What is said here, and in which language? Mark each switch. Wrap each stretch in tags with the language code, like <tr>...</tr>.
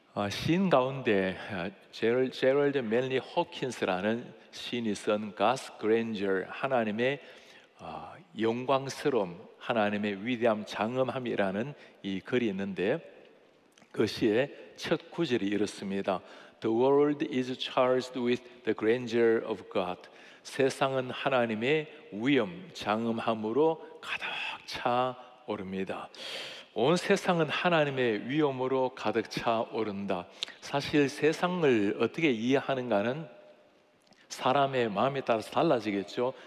<ko>시인 가운데 제럴드 맨리 호킨스라는 시인이 쓴 God's Grandeur, 하나님의 영광스러움, 하나님의 위대함, 장엄함이라는 이 글이 있는데 그 시의 첫 구절이 이렇습니다.</ko> <en>The world is charged with the grandeur of God.</en> <ko>세상은 하나님의 위엄, 장엄함으로 가득 차 오릅니다. 온 세상은 하나님의 위엄으로 가득 차 오른다. 사실 세상을 어떻게 이해하는가는 사람의 마음에 따라서 달라지겠죠.</ko>